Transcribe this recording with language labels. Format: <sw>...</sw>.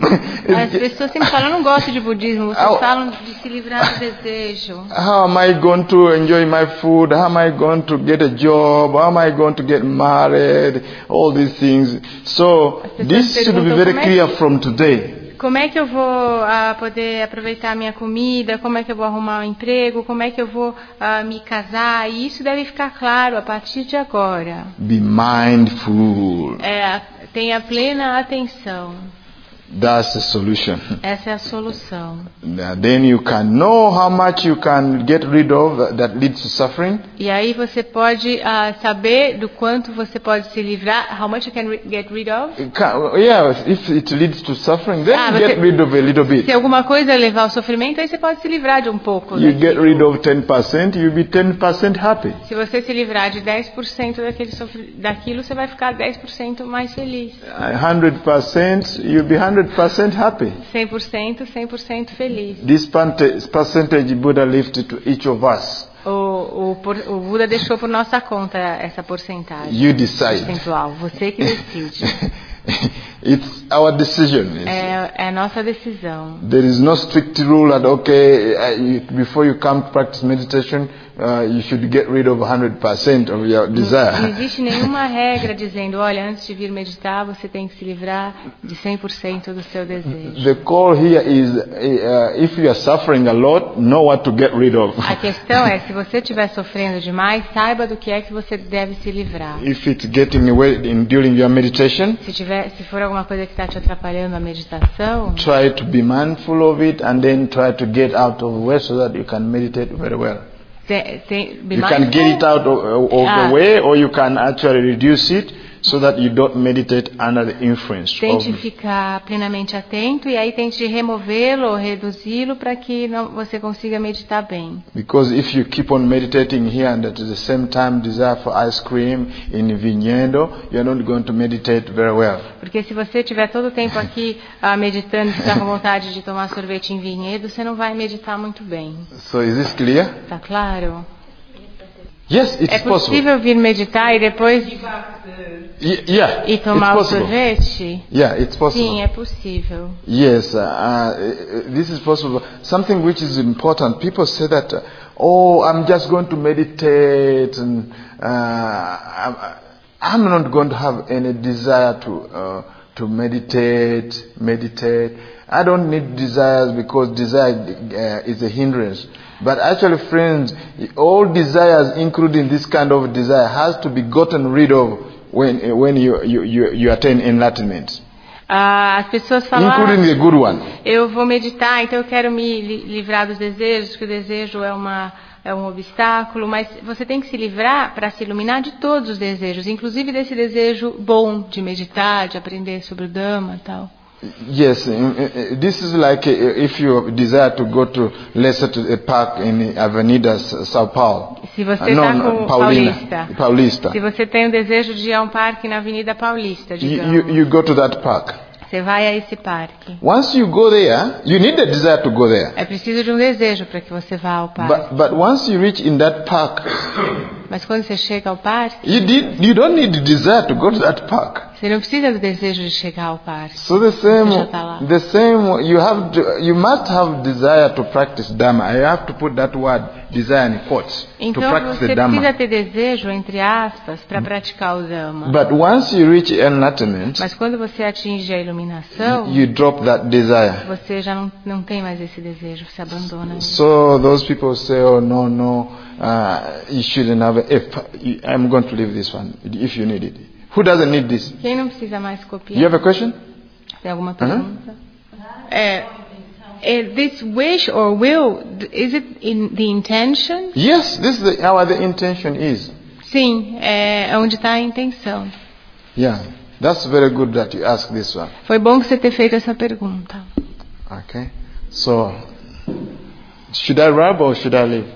<pt>As pessoas sempre falam, eu não gosto de budismo. Vocês falam de se livrar do desejo.</pt> <en>How am I going to enjoy my food? How am I going to get a job? How am I going to get married? All these things. So, this should be very clear from today.</en> <pt>Como é que eu vou poder aproveitar a minha comida? Como é que eu vou arrumar um emprego? Como é que eu vou me casar? E isso deve ficar claro a partir de agora.</pt> <en>Be mindful.</en> <pt>Tenha plena atenção.</pt> <en>That's the solution.</en> <pt>Essa é a solução.</pt> <en>Then you can know how much you can get rid of that leads to suffering.</en> <pt>E aí você pode saber do quanto você pode se livrar.</pt> <en>How much you can get rid of? If it leads to suffering, then</en> <pt>você,</pt> <en>get rid of a little bit.</en> <pt>Se alguma coisa levar ao sofrimento, aí você pode se livrar de um pouco.</pt> <en>You get rid of 10%, you'll be 10% happy.</en> <pt>Se você se livrar de 10% daquilo, você vai ficar 10% mais feliz.</pt> <en>100%, you'll be 100% happy.</en> <pt>100%, 100% feliz.</pt> <en>This percentage Buddha left to each of us.</en> <pt>O Buda deixou por nossa conta essa porcentagem.</pt> <en>You decide.</en> <pt>Percentual, você que decide.</pt> <en>It's our decision.</en> <pt>É a nossa decisão.</pt> <en>There is no strict rule that okay, before you come to practice meditation, you should get rid of 100% of your desire.</en> <pt>Não existe nenhuma regra dizendo, olha, antes de vir meditar, você tem que se livrar de 100% do seu desejo.</pt> <en>The call here is if you are suffering a lot, know what to get rid of.</en> <pt>A questão é, se você estiver sofrendo demais, saiba do que é que você deve se livrar.</pt> <en>If it's getting away in during your meditation,</en> <pt>se for alguma coisa que está te atrapalhando a meditação,</pt> <en>try to be mindful of it and then try to get out of the way so that you can meditate very well. Be you can get it out of the way, or you can actually reduce it so that you don't meditate under the influence.</en> <pt>Tente ficar plenamente atento e aí tente removê-lo ou reduzi-lo para que não, você consiga meditar bem.</pt> <en>Because if you keep on meditating here and at the same time desire for ice cream in Vinhedo, you're not going to meditate very well.</en> <pt>Porque se você tiver todo o tempo aqui meditando, está com vontade de tomar sorvete em Vinhedo, você não vai meditar muito bem.</pt> <en>So is this clear?</en> <pt>Tá claro.</pt> <en>Yes, it's</en> <pt>é possível</pt> <en>possible.</en> <pt>Vir meditar e depois</pt> <en>yeah,</en> <pt>e tomar o sorvete?</pt> <en>Yeah, it's possible.</en> <pt>Sim, é possível.</pt> <en>Yes, this is possible. Something which is important. People say that, I'm just going to meditate and I'm not going to have any desire to meditate. I don't need desires because desire is a hindrance. But actually, friends, all desires, including this kind of desire, has to be gotten rid of when you attain enlightenment.</en> <pt>As pessoas falam,</pt> <en>including the good one.</en> <pt>Eu vou meditar, então eu quero me livrar dos desejos, que o desejo é um obstáculo, mas você tem que se livrar para se iluminar de todos os desejos, inclusive desse desejo bom de meditar, de aprender sobre o Dhamma e tal.</pt> <en>Yes, this is like if you desire to go to let's say to a park in Avenida São Paulo.</en> <pt>Se você está com Paulina, Paulista. Se você tem o desejo de ir a um parque na Avenida Paulista, digamos.</pt> <en>You go to that park.</en> <pt>Você vai a esse parque.</pt> <en>Once you go there, you need a desire to go there.</en> <pt>É preciso de um desejo para que você vá ao parque.</pt> <en>But once you reach in that park.</en> <pt>Mas quando você chega ao parque.</pt> <en>You don't need the desire to go to that park.</en> <pt>Você não precisa do desejo de chegar ao parque.</pt> <en>So the same, you must have desire to practice Dhamma. I have to put that word desire in quotes</en> <pt>então,</pt> <en>to practice</en> <pt>você</pt> <en>the Dhamma.</en> <pt>Precisa ter desejo entre aspas para praticar o Dhamma.</pt> <en>But once you reach enlightenment,</en> <pt>mas quando você atinge a iluminação,</pt> <en>you drop that desire.</en> <pt>Você já não tem mais esse desejo, você abandona.</pt> <en>So those people say, oh no, you shouldn't have. I'm going to leave this one if you need it. Who doesn't need this?</en> <pt>Quem não precisa mais copiar?</pt> <en>You have a question?</en> <pt>Tem alguma pergunta?</pt> <en>This wish or will, is it in the intention? Yes, this is the intention is.</en> <pt>Sim, é onde está a intenção.</pt> <en>Yeah, that's very good that you ask this one.</en> <pt>Foi bom que você ter feito essa pergunta.</pt> <en>Okay, so should I rub or should I leave?</en>